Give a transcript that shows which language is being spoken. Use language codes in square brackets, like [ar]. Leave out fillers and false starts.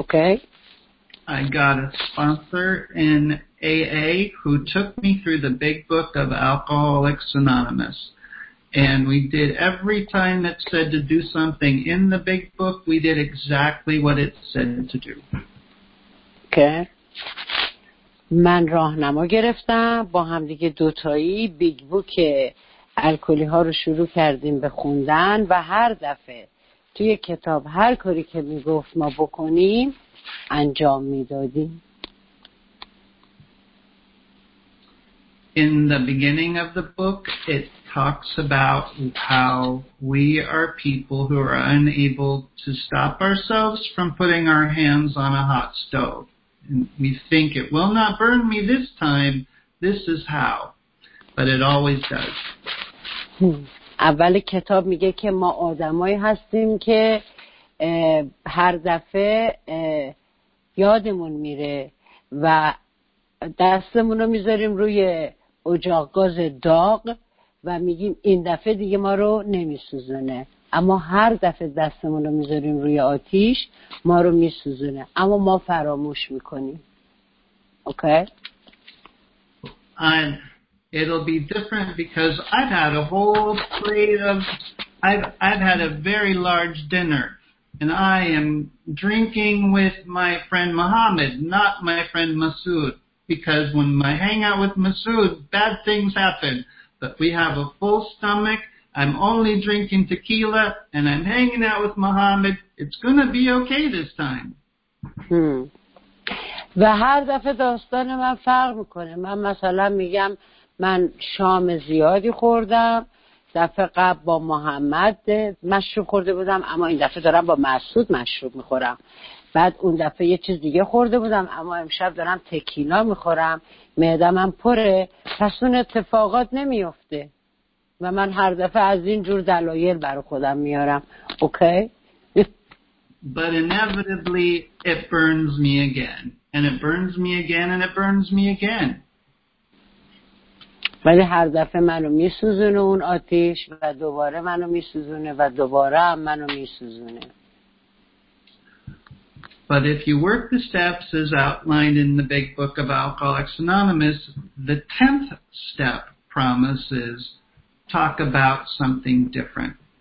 [en] Okay. I got a sponsor in AA who took me through the big book of Alcoholics Anonymous, and we did every time it said to do something in the big book, we did exactly what it said to do. Okay. [fa] من راهنما گرفتم، با هم دیگه دو تایی بیگ بوک الکلی ها رو شروع کردیم به خوندن و هر دفعه توی کتاب هر کاری که میگفت ما بکنیم انجام میدادیم. [en] In the beginning of the book, it talks about how we are people who are unable to stop ourselves from putting our hands on a hot stove. And we think it will not burn me this time. This is how. But it always does. [fa] اول کتاب میگه که ما آدمایی هستیم که هر دفعه یادمون میره و دستمون رو میذاریم روی اجاق گاز داغ و میگیم این دفعه دیگه ما رو نمیسوزونه، اما هر دفعه دستمون رو میذاریم روی آتیش ما رو میسوزونه، اما ما فراموش میکنیم. [en] Okay. And it'll be different because I've had a whole plate of I've had a very large dinner and I am drinking with my friend Muhammad, not my friend Masood. Because when I hang out with Masood, bad things happen. But we have a full stomach. I'm only drinking tequila, and I'm hanging out with Muhammad. It's gonna be okay this time. [fa] و هر دفعه داستان من فرق میکنه. من مثلا میگم من شام زیادی خوردم. دفعه قبل با محمد مشروب خورده بودم، اما این دفعه دارم با مسعود مشروب میخورم. بعد اون دفعه یه چیز دیگه خورده بودم، اما امشب دارم تکیلا میخورم، معدم هم پره، پس اون اتفاقات نمیفته و من هر دفعه از این جور دلایل برای خودم میارم. اوکی؟ [en] But inevitably it burns me again and it burns me again and it burns me again. [fa] ولی هر دفعه منو میسوزونه اون آتش و دوباره منو میسوزونه و دوباره منو میسوزونه. [en] But if you work the steps as outlined in the big book of Alcoholics Anonymous, the 10th step promises talk about something different.